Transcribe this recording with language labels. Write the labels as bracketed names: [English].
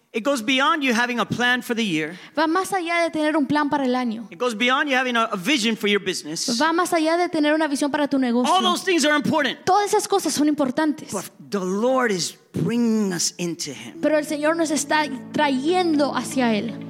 [English] It goes beyond you having a plan for the year. [Spanish] Va más allá de tener un plan para el año. [English] It goes beyond you having a vision for your business. [Spanish] Va más allá de tener una visión para tu negocio. [English] All those things are important. [Spanish] Todas esas cosas son importantes. [English] But the Lord is bringing us into Him. [Spanish] Pero el Señor nos está trayendo hacia Él.